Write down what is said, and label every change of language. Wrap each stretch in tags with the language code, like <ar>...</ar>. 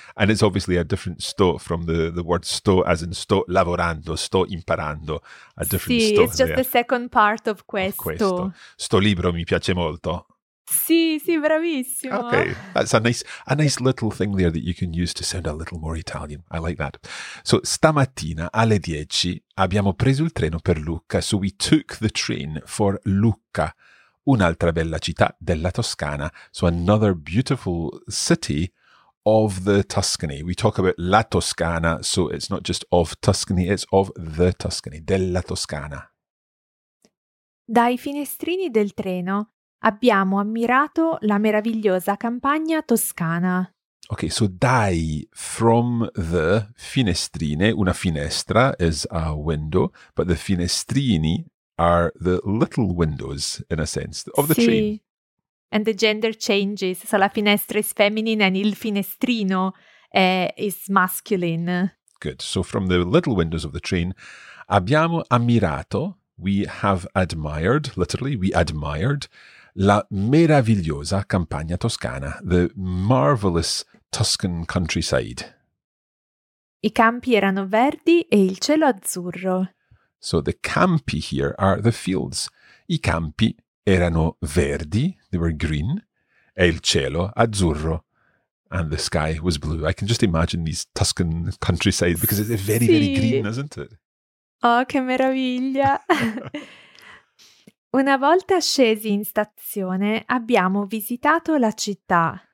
<en>And it's obviously a different sto from the word sto, as in</en> <it>sto lavorando, sto imparando.</it> <en>A different</en> <it>sì, sto.</it> <en>It's just there. The second part of questo.</en> <it>Sto libro mi piace molto. Sì, bravissimo.</it> <en>Okay, that's a nice little thing there that you can use to sound a little more Italian. I like that.</en> <it>So, stamattina alle 10 abbiamo preso il treno per Lucca.</it> <en>So, we took the train for Lucca,</en> <it>un'altra bella città della Toscana.</it> <en>So, another beautiful city of the Tuscany. We talk about la Toscana, so it's not just of Tuscany, it's of the Tuscany, della Toscana.</en> <it>Dai finestrini del treno abbiamo ammirato la meravigliosa campagna toscana.</it> <en>Okay, so dai, from the finestrine, una finestra is a window, but the finestrini are the little windows, in a sense, of the</en> <it>sì.</it> <en>Train. And the gender changes, so la finestra is feminine and il finestrino is masculine. Good, so from the little windows of the train,</en> <it>abbiamo ammirato,</it> <en>we have admired, literally, we admired,</en> <it>la meravigliosa campagna toscana,</it> <en>the marvelous Tuscan countryside.</en> <it>I campi erano verdi e il cielo azzurro.</it> <en>So the campi here are the fields.</en> <it>I campi erano verdi,</it> <en>they were green,</en> <it>e il cielo azzurro.</it> <en>And the sky was blue. I can just imagine these Tuscan countryside because it's very, Very green, isn't it?</en> <it>Oh, che meraviglia! Una volta scesi in stazione, abbiamo visitato la città.</it>